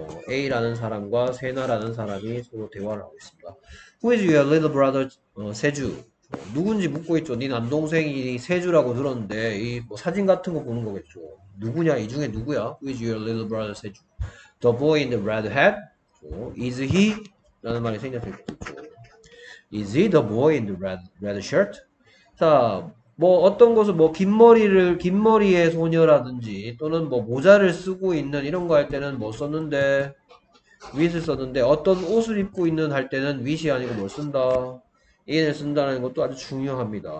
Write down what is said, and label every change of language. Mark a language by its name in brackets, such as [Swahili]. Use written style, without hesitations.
[Korean] A라는 사람과 세나라는 사람이 서로 대화를 하고 있습니다. [English] Who is your little brother, [Korean] 세주? 누군지 묻고 있죠. 네 남동생이 세주라고 들었는데, 이, 뭐, 사진 같은 거 보는 거겠죠. 누구냐, 이 중에 누구야? [English] Who is your little brother, 세주? The boy in the red hat? Is he? [Korean] 라는 말이 생략될 거겠죠. [English] Is he the boy in the red shirt? [Korean] 자, 뭐 어떤 것은 뭐긴 머리를 긴 머리의 소녀라든지 또는 뭐 모자를 쓰고 있는 이런 거할 때는 뭐 썼는데 with 썼는데 어떤 옷을 입고 있는 할 때는 with이 아니고 뭘 쓴다 in을 쓴다는 것도 아주 중요합니다.